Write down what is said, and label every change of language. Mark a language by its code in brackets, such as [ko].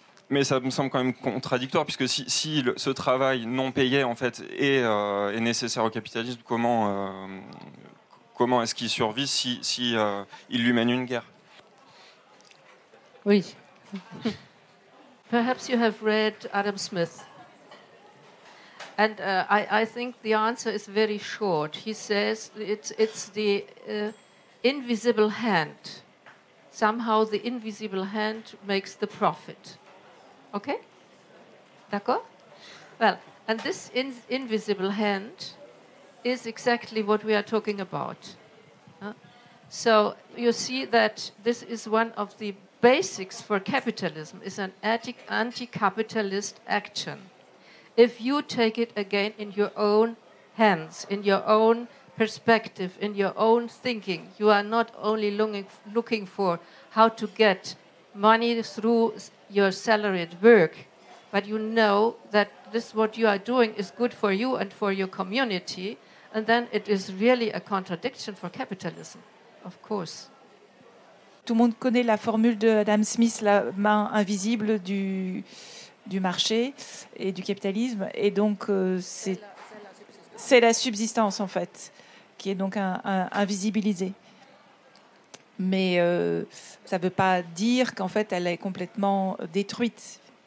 [fr] Mais ça me semble quand même contradictoire, puisque si ce travail non payé en fait est nécessaire au capitalisme, comment est-ce qu'il survit si il lui mène une guerre? Oui. [en] Perhaps you have read Adam Smith, and I think the answer is very short. He says it's the invisible hand. Somehow the invisible hand makes the profit. Okay? [fr] D'accord? [en] Well, and this invisible hand is exactly what we are talking about. So you see that this is one of the basics for capitalism, is an anti-capitalist action. If you take it again in your own hands, in your own perspective, in your own thinking, you are not only looking for how to get money through your salary at work, but you know that this, what you are doing, is good for you and for your community, and then it is really a contradiction for capitalism, of course. [fr] Tout le monde connaît la formule de Adam Smith, la main invisible du marché et du capitalisme, et donc c'est la subsistance en fait, qui est donc invisibilisée. Mais ça ne veut pas dire qu'en fait, elle est complètement détruite.